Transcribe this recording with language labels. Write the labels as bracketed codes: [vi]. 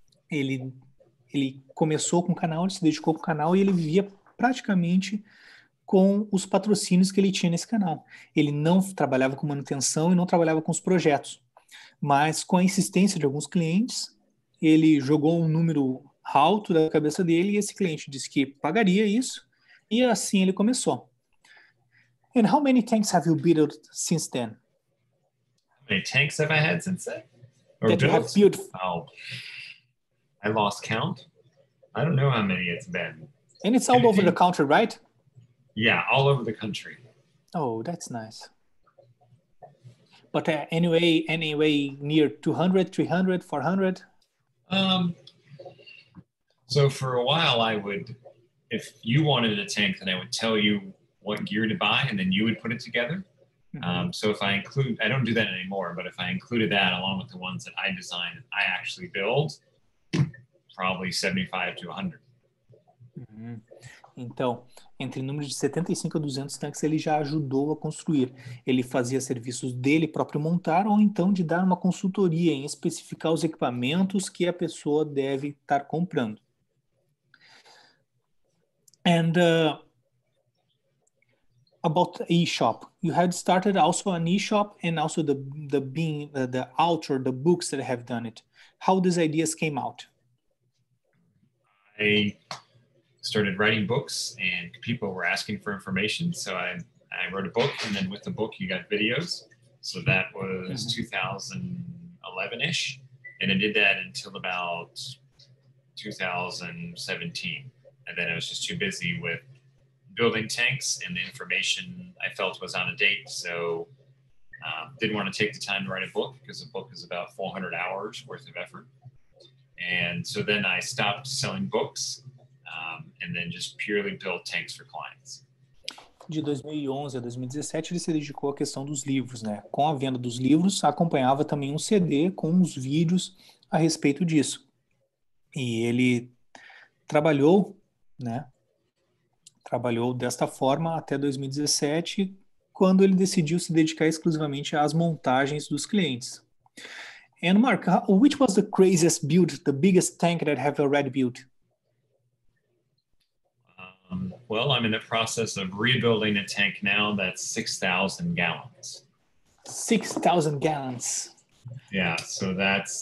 [pt] Ele começou com o canal, ele se dedicou com o canal e ele vivia praticamente com os patrocínios que ele tinha nesse canal. Ele não trabalhava com manutenção e não trabalhava com os projetos. Mas com a insistência de alguns clientes, ele jogou um número alto da cabeça dele e esse cliente disse que pagaria isso. E assim ele começou. [en] And how many tanks have you built since then? How many tanks have I had since then? Or that you have built? Oh, I lost count. I don't know how many it's been. And it's all over the country, right? Yeah, all over the country. Oh, that's nice. But anyway, near 200, 300, 400? So for a while, I would, if you wanted a tank, then I would tell you what gear to buy, and then you would put it together. So if I include, I don't do that anymore, but if I included that along with the ones that I design, I actually build, probably 75 to 100. Uhum. [pt] Então, entre números de 75 a 200 tanques, ele já ajudou a construir. Ele fazia serviços dele próprio montar ou então de dar uma consultoria em especificar os equipamentos que a pessoa deve estar comprando. [en] And... About e-shop, you had started also an e-shop and also the author, the books that have done it. How these ideas came out? I started writing books and people were asking for information. So I wrote a book and then with the book you got videos. So that was mm-hmm. 2011-ish. And I did that until about 2017. And then I was just too busy with building tanks, and the information I felt was out of date, so didn't want to take the time to write a book because a book is about 400 hours worth of effort. And so then I stopped selling books and then just purely built tanks for clients. [pt] De 2011 a 2017, ele se dedicou à questão dos livros, né? Com a venda dos livros, acompanhava também um CD com os vídeos a respeito disso. E ele trabalhou, né? Trabalhou desta forma até 2017, quando ele decidiu se dedicar exclusivamente às montagens dos clientes. [en] And Mark, which was the craziest build, the biggest tank that have already built? Well, I'm in the process of rebuilding a tank now that's 6,000 gallons. 6,000 gallons. Yeah, so that's...